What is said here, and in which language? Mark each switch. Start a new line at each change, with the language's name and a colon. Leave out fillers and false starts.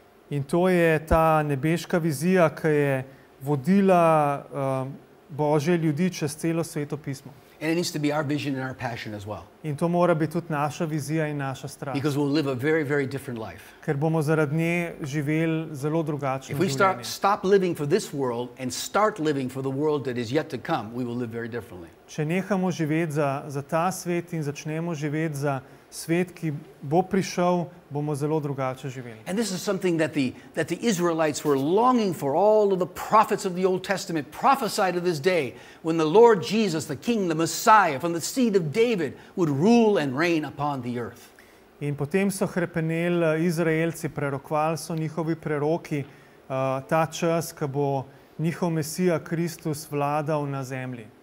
Slovenian: In to je ta nebeška vizija, ki je vodila Božje ljudi čez celo sveto pismo.
English: And it needs to be our vision and our passion as well.
Slovenian: In to mora biti tudi naša vizija in naša strast.
English: Because we'll live a very, very different life.
Slovenian: Ker bomo zaradi nje živeli zelo drugačno življenje.
English: If we stop living for this world and start living for the world that is yet to come, we will live very differently.
Slovenian: Če nehamo živeti za ta svet in začnemo živeti za svet, ki bo prišel, bomo zelo drugače živeli.
English: And this is something that the Israelites were longing for. All of the prophets of the Old Testament prophesied of this day when the Lord Jesus, the King, the Messiah from the seed of David would rule and reign upon the earth.
Slovenian: In potem so hrepenel Izraelci, prerokvali so njihovi preroki ta čas, ko bo njihov Mesija Kristus vladal na zemlji.